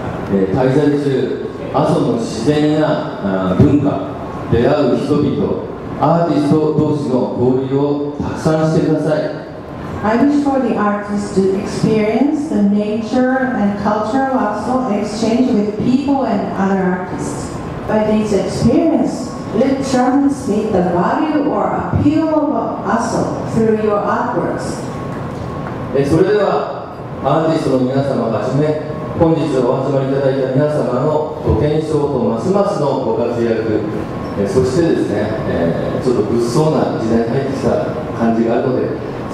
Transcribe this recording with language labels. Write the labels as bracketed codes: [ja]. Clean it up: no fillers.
[ja] 滞在中、阿蘇の自然や文化、出会う人々、アーティスト同士の交流をたくさんしてください。 [en] I wish for the artists to experience the nature and culture of Aso exchange with people and other artists. By this experience, let transmit the value or appeal of Aso through your artworks. [ja] それでは、アーティストの皆様はじめ、本日お集まりいただいた皆様のご健勝とますますのご活躍、そしてですね、ちょっと物騒な時代に入ってきた感じがあるので、